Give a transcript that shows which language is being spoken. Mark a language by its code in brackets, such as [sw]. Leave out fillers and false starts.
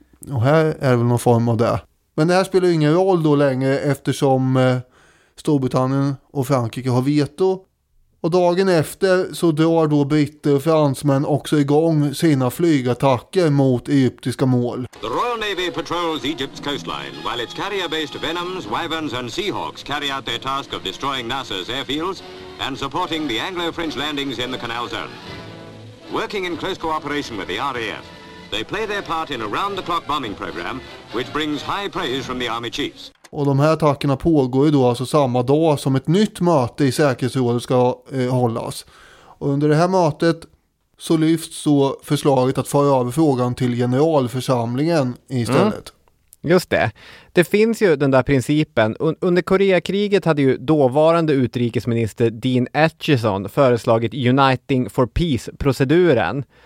[sv] Och här är det väl någon form av det. Men det här spelar ju ingen roll då längre eftersom Storbritannien och Frankrike har veto. Och dagen efter så drar då britter och fransmän också igång sina flygattacker mot egyptiska mål. [en] The Royal Navy patrols Egypt's coastline while its carrier-based Venoms, Wyverns and Seahawks carry out their task of destroying NASA's airfields and supporting the Anglo-French landings in the canal zone. Working in close cooperation with the RAF, they play their part in a round-the-clock bombing program which brings high praise from the army chiefs. [sv] Och de här attackerna pågår ju då alltså samma dag som ett nytt möte i säkerhetsrådet ska hållas. Och under det här mötet så lyfts då förslaget att föra över frågan till generalförsamlingen istället. Mm. Just det. Det finns ju den där principen. Under Koreakriget hade ju dåvarande utrikesminister Dean Acheson föreslagit Uniting for Peace-proceduren.